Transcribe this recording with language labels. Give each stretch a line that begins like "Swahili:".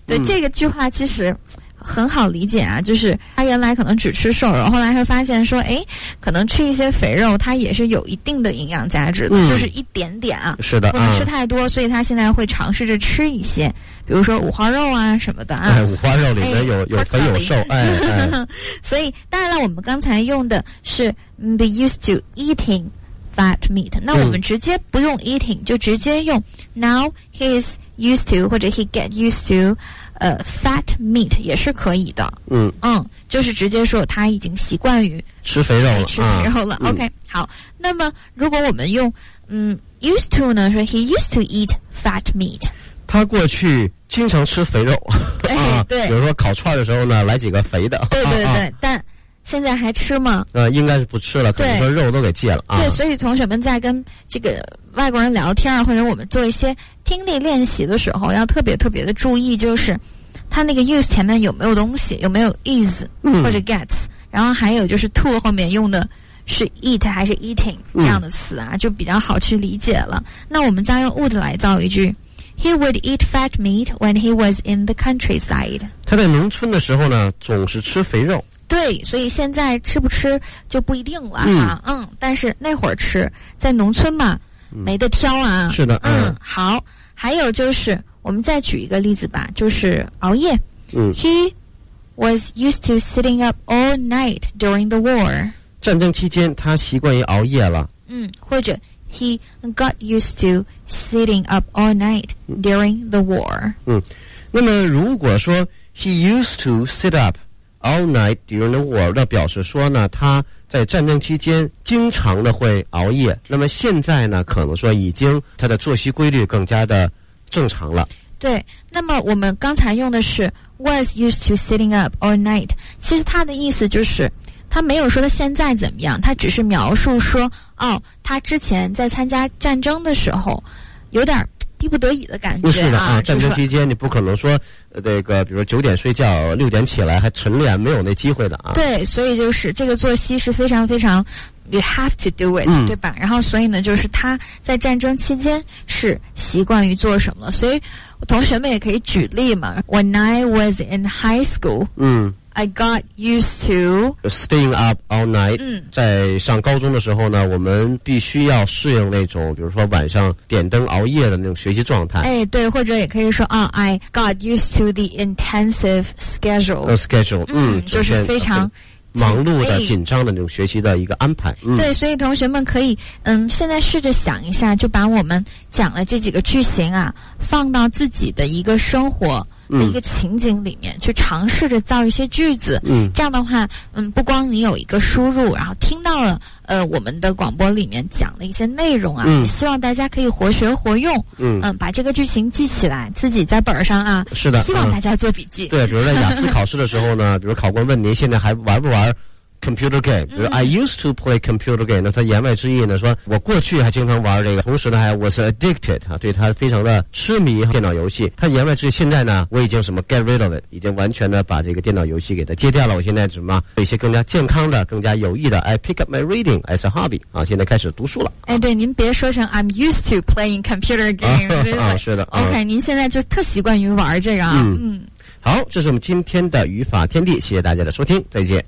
Chinese: 对，这个句话其实很好理解啊，就是他原来可能只吃瘦肉，后来会发现说，哎，可能吃一些肥肉，它也是有一定的营养价值的，就是一点点啊，是的，不能吃太多，所以他现在会尝试着吃一些，比如说五花肉啊什么的啊，五花肉里面有肥有瘦，哎，所以当然了，我们刚才用的是
English: be used to eating fat meat，
Chinese: 那我们直接不用 eating， 就直接用
English: now he is used to
Chinese: 或者
English: he get used to。 fat meat
Chinese: 也是可以的。嗯嗯，就是直接说他已经习惯于吃肥肉了。吃肥肉了。啊、 OK，、嗯、好。那么如果我们用used to 呢，说
English: he used to eat fat meat，
Chinese: 他过去经常吃肥肉。对、啊、对。比如说烤串的时候呢，来几个肥的。对对对，啊、但现在还吃吗？应该是不吃了，可能说肉都给戒了。对，啊、对，所以同学们在跟这个外国人聊天，或者我们做一些听力练习的时候，要特别特别的注意，就是他那个 use 前面有没有东西，有没有 is 或者 gets，然后还有就是 to 后面用的是 eat 还是 eating 这样的词啊，就比较好去理解了。那我们再用 would 来造一句 ，
English: He would eat fat meat when he was in the countryside。
Chinese: 他在农村的时候呢，总是吃肥肉。对，所以现在吃不吃就不一定了啊。嗯，但是那会儿吃，在农村嘛。没得挑啊，是的，好，还有就是，我们再举一个例子吧，就是熬夜。
English: He was used to sitting up all night during the war。
Chinese: 战争期间，他习惯于熬夜了。
English: 或者 he got used to sitting up all night during the war。
Chinese: 那么如果说
English: he used to sit up all night during the war，
Chinese: 那表示说呢，他在战争期间经常的会熬夜，那么现在呢可能说已经他的作息规律更加的正常了。对，那么我们刚才用的是
English: was used to sitting up all night，
Chinese: 其实他的意思就是他没有说他现在怎么样，他只是描述说哦，他之前在参加战争的时候有点逼不得已的感觉啊。是的啊，战争期间你不可能说这个比如说九点睡觉六点起来还晨练，没有那机会的啊。对，所以就是这个作息是非常非常
English: you have to do it、
Chinese: 对吧，然后所以呢就是他在战争期间是习惯于做什么了，所以同学们也可以举例嘛。
English: When I was in high school I got used to staying up all night。
Chinese: 在上高中的时候呢，我们必须要适应那种比如说晚上点灯熬夜的那种学习状态。哎，对，或者也可以说啊、
English: I got used to the intensive schedule。
Chinese: 就是非常忙碌的、紧张的那种学习的一个安排。对，所以同学们可以现在试着想一下，就把我们讲的这几个句型啊放到自己的一个生活的一个情景里面去尝试着造一些句子。这样的话不光你有一个输入，然后听到了我们的广播里面讲的一些内容啊，希望大家可以活学活用。把这个句型记起来，自己在本上啊，是的，希望大家做笔记。对，比如在雅思考试的时候呢，比如考官问您现在还玩不玩computer game， 比如
English: I used to play computer game，
Chinese: 那他言外之意呢说我过去还经常玩这个，同时呢还
English: was addicted
Chinese: 啊，对他非常的痴迷电脑游戏，他言外之意现在呢我已经什么
English: get rid of it，
Chinese: 已经完全的把这个电脑游戏给他戒掉了，我现在什么有一些更加健康的更加有益的
English: I pick up my reading as a hobby
Chinese: 啊，现在开始读书了。哎，对，您别说成
English: I'm used to playing computer game、
Chinese: 啊、是的、 OK， 您现在就特习惯于玩这个啊。好，这是我们今天的语法天地，谢谢大家的收听，再见，